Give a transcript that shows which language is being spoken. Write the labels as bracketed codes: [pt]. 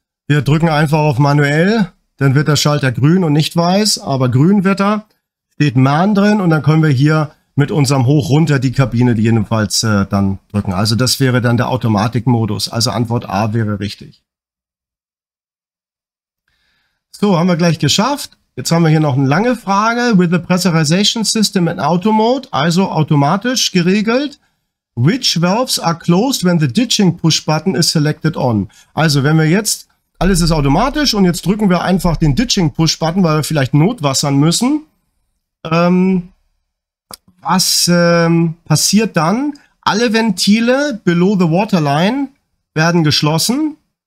[de] Wir drücken einfach auf manuell, dann wird der Schalter grün und nicht weiß, aber grün wird er. Steht Man drin und dann können wir hier mit unserem Hoch runter die Kabine jedenfalls dann drücken. Also das wäre dann der Automatikmodus. Also Antwort A wäre richtig. So, haben wir gleich geschafft. Jetzt haben wir hier noch eine lange Frage. [en] With the pressurization system in auto mode, [de] also automatisch geregelt. [en] Which valves are closed when the ditching push button is selected on? [de] Also wenn wir jetzt, alles ist automatisch und jetzt drücken wir einfach den ditching push button, weil wir vielleicht notwassern müssen. Was passiert dann? Alle Ventile [en] below the waterline [de] werden geschlossen.